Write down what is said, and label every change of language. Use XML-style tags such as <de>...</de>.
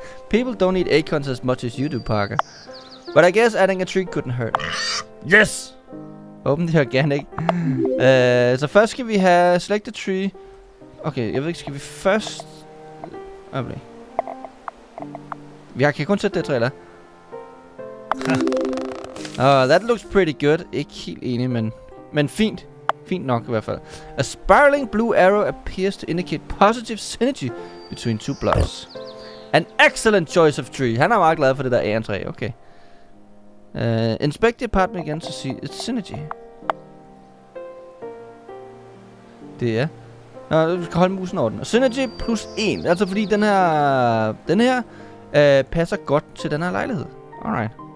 <en>People don't eat acorns as much as you do, Parker. But I guess adding a tree couldn't hurt. Yes! Open the organic.</en> <da>Så først skal vi have</da> <en>select a tree.</en> <da>Okay, jeg ved ikke, skal vi først... Okay. Jeg kan kun sætte det træ, eller?</da> <en>That looks pretty good.</en> <da>Ikke helt enig, men fint. Fint nok i hvert fald.</da> <en>A spiraling blue arrow appears to indicate positive synergy between two blocks. An excellent choice of tree.</en> <da>Han er meget glad for det der ærentræ. Okay.</da> <en>Inspect the apartment again to see its synergy.</en> <da>Det er. Nå, du skal holde musen over den.</da> <en>Synergy plus 1.</en> <da>Altså fordi den her passer godt til den her lejlighed. Alright.</da>